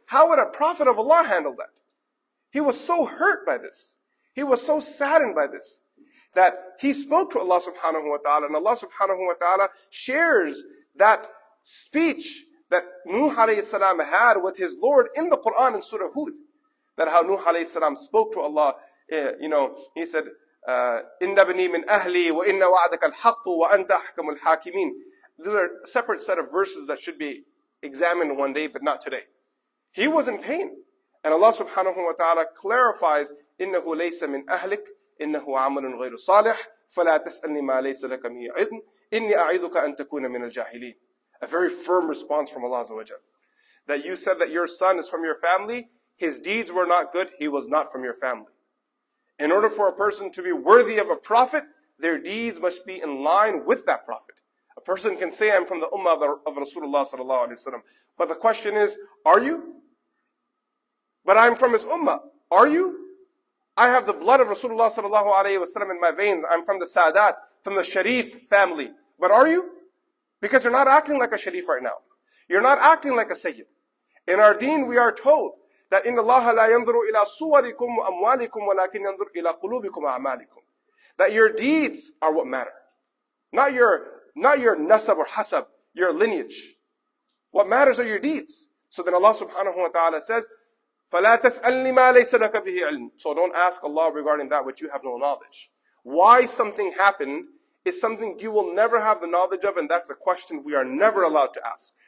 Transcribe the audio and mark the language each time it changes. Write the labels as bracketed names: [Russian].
[English] How would a prophet of Allah handle that? He was so hurt by this. He was so saddened by this. That he spoke to Allah subhanahu wa ta'ala. And Allah subhanahu wa ta'ala shares that speech that Nuh alayhi salam had with his Lord in the Quran in Surah Hud. That how Nuh alayhi salam spoke to Allah. You know, he said, [Arabic] إِنَّ بَنِي مِنْ أَهْلِي وَإِنَّ وَعَدَكَ الْحَقُّ وَأَنْتَ أَحْكَمُ الْحَاكِمِينَ. These are separate set of verses that should be examined one day, but not today. He was in pain. [English] And Allah subhanahu wa ta'ala clarifies, [Arabic] إِنَّهُ لَيْسَ مِنْ أَهْلِكَ إِنَّهُ عَمَلٌ غَيْرُ صَالِحٍ فَلَا تَسْأَلْنِي مَا لَيْسَ لَكَ مِهِ عِلْمٍ إِنِّي أَعِذُكَ أَن تَكُونَ مِنَ الْجَاهِلِينَ. [English] A very firm response from Allah azawajal. That you said that your son is from your family, his deeds were not good, he was not from your family. In order for a person to be worthy of a prophet, their deeds must be in line with that prophet. A person can say, I'm from the ummah of Rasulullah sallallahu alayhi wa sallam. But the question is, are you? But I'm from his ummah. Are you? I have the blood of Rasulullah sallallahu alayhi wa sallam in my veins. I'm from the Sadat, from the Sharif family. But are you? Because you're not acting like a Sharif right now. You're not acting like a Sayyid. In our deen, we are told that [Arabic] إِنَّ اللَّهَ لَا يَنْظُرُ إِلَىٰ صُوَرِكُمْ وَأَمْوَالِكُمْ وَلَكِنْ يَنْظُرُ إِلَىٰ قُلُوبِكُمْ وَأَعْمَالِكُمْ, [English] that your deeds are what matter. Not your nasab or hasab, your lineage. What matters are your deeds. So then Allah subhanahu wa ta'ala says, [Arabic] فَلَا تَسْأَلْنِي مَا لَيْسَ لَكَ بِهِ عِلْمٍ, [English] so don't ask Allah regarding that which you have no knowledge. Why something happened is something you will never have the knowledge of, and that's a question we are never allowed to ask.